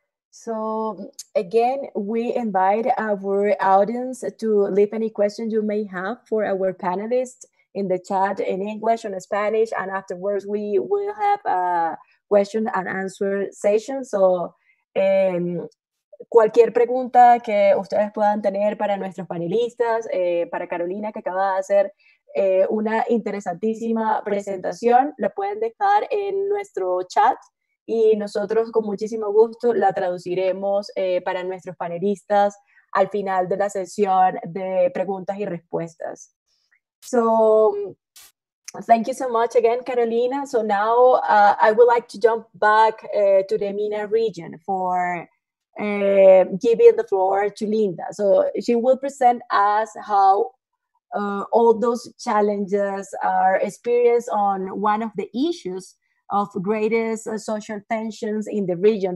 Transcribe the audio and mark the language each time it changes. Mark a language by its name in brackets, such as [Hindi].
[English] So again, we invite our audience to leave any questions you may have for our panelists in the chat in English and Spanish, and afterwards we will have a question and answer session. [Spanish] So cualquier pregunta que ustedes puedan tener para nuestros panelistas, para Carolina, que acaba de hacer una interesantísima presentación, la pueden dejar en nuestro chat. Y nosotros con muchísimo gusto la traduciremos para nuestros panelistas al final de la sesión de preguntas y respuestas. [English] So, thank you so much again, Carolina. So now I would like to jump back to the MENA region for giving the floor to Linda. So she will present us how all those challenges are experienced on one of the issues of greatest social tensions in the region.